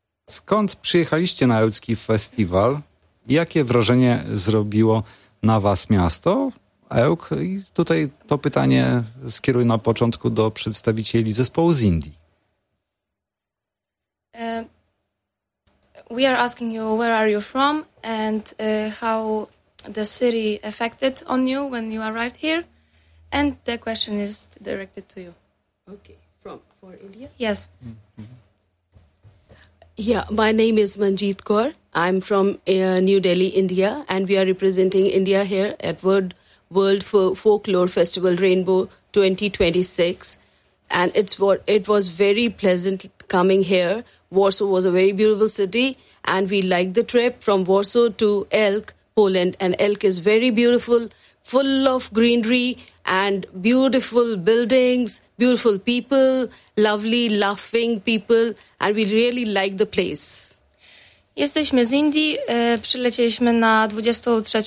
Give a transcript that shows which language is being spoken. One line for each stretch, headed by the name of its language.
Polish: Skąd przyjechaliście na Ełcki Festiwal? Jakie wrażenie zrobiło na Was miasto, Ełk? I tutaj to pytanie skieruję na początku do przedstawicieli zespołu z Indii.
English: We are asking you, where are you from and how the city affected on you when you arrived here? And the question is directed to you. Okay, for India? Yes. Yeah, my name is Manjeet Kaur. I'm from New Delhi, India, and we are representing India here at World Folklore Festival Rainbow 2026. And it was very pleasant coming here. Warsaw was a very beautiful city, and we liked the trip from Warsaw to Elk, Poland. And Elk is very beautiful, full of greenery and beautiful buildings, beautiful people, lovely, laughing people, and we really like the place.
Polish: Jesteśmy z Indii, przylecieliśmy na 23.